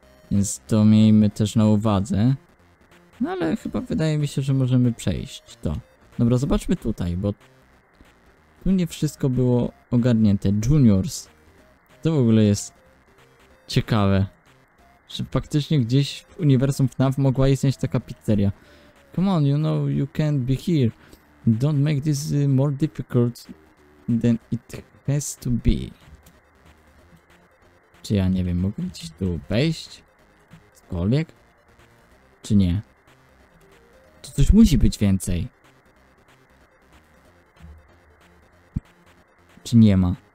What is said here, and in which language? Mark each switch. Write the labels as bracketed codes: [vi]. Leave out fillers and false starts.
[pl] Więc to miejmy też na uwadze. No ale chyba wydaje mi się, że możemy przejść to. Dobra, zobaczmy tutaj, bo... Tu nie wszystko było ogarnięte. Juniors. To w ogóle jest... Ciekawe. Że faktycznie gdzieś w uniwersum FNAF mogła istnieć taka pizzeria. [en] Come on, you know you can't be here. Don't make this more difficult than it... has to be. [pl] Czy ja nie wiem, mogę gdzieś tu wejść? Cokolwiek? Czy nie? To coś musi być więcej. czy nie ma?